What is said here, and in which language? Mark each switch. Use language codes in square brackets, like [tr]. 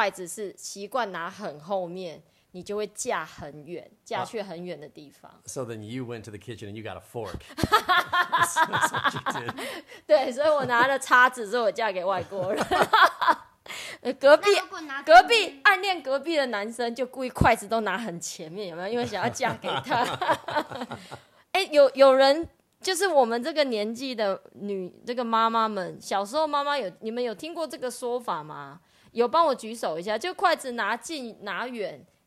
[zh] 你知道啊，我小时候啊，我不知道你们有多少人有这个，爸爸妈妈有没有这样跟你讲过？我小时候的时候，拿筷子的时候，妈妈都会说，如果你筷子拿很前面，前面就是靠近食物那个地方。如果你拿很前面，就是你长大你会架很近。啊，如果你筷子是习惯拿很后面。你就会架很远，架去很远的地方。 [en] So then you went to the kitchen and you got a fork. [zh] 对，所以我拿了叉子之后我嫁给外国人。隔壁暗恋隔壁的男生就故意筷子都拿很前面，有没有？因为想要嫁给他。哎，有人就是我们这个年纪的女这个妈妈们，小时候妈妈有你们有听过这个说法吗？有帮我举手一下，就筷子拿近拿远。